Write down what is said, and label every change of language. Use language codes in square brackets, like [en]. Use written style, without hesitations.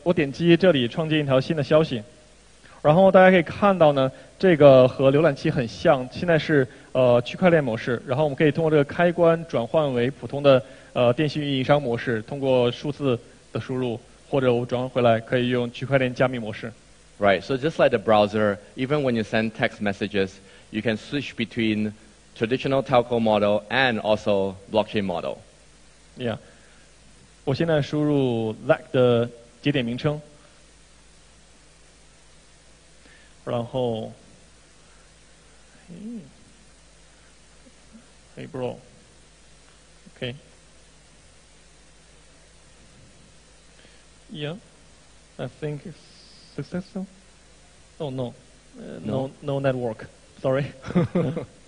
[zh] 我点击这里创建一条新的消息然后大家可以看到呢，这个和浏览器很像，现在是区块链模式，然后我们可以通过这个开关转换为普通的电信运营商模式，通过数字的输入，或者我转换回来可以用区块链加密模式。 [en] Right, so just like the browser, even when you send text messages, you can switch between traditional telco model and also blockchain model. Yeah. [zh] 我现在输入 LAC 的节点名称，然后 [en] Hey bro, OK. Yeah, I think it's successful. Oh no. No network, sorry. Hey bro.